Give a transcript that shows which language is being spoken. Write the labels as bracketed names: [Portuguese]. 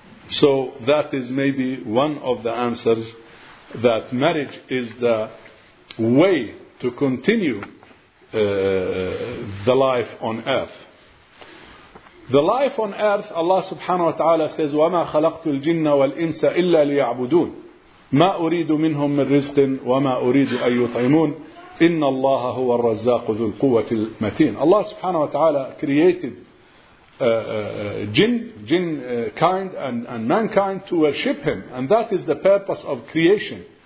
[English] So that is maybe one of the answers, that marriage is the way to continue the life on earth. The life on earth, Allah subhanahu wa ta'ala says, [Arabic] وَمَا خَلَقْتُ الْجِنَّ وَالْإِنسَ إِلَّا لِيَعْبُدُونَ مَا أُرِيدُ مِنْهُمْ مِنْ رِزْقٍ وَمَا أُرِيدُ أَنْ يُطْعِمُونَ إن الله هو الرزاق ذو القوة المتين. [English] Allah subhanahu wa ta'ala created jinn kind and mankind to worship Him, and that is the purpose of creation.